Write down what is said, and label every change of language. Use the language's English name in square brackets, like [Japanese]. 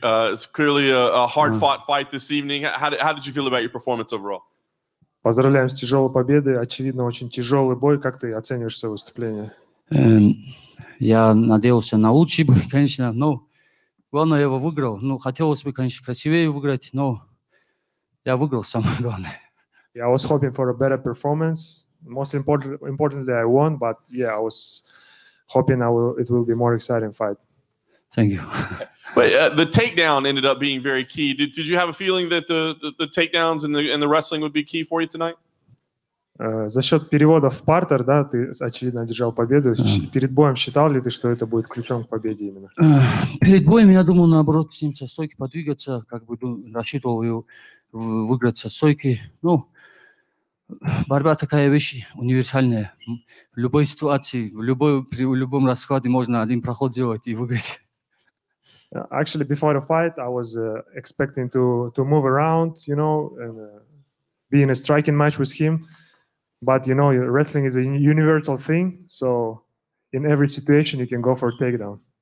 [English] It's clearly a hard-fought fight this evening. How did you feel about your performance overall? [Russian] Поздравляем с тяжелой победой. Очевидно, очень тяжелый бой. Как ты оцениваешь свое выступление? Я надеялся на лучший бой, конечно, но главное, я его выиграл. Ну, хотелось бы, конечно, красивее выиграть, но я выиграл самое главное. [English] Yeah, I was hoping for a better performance. Most importantly, I won, but yeah, I was hoping it will be a more exciting fight. Thank you. But the takedown ended up being very key. Did you have a feeling that the takedowns and the wrestling would be key for you tonight? [Russian] За счет перевода в партер, да, ты очевидно одержал победу. Перед боем считал ли ты, что это будет ключом к победе именно? Перед боем я думал наоборот с ним со стойки подвигаться, как бы рассчитывал его выиграть со стойки. Ну, борьба такая вещь универсальная. В любой ситуации, при любом раскладе можно один проход сделать и выиграть. [English] Actually, before the fight, I was expecting to move around, you know, and be in a striking match with him. But, you know, wrestling is a universal thing, so in every situation you can go for a takedown.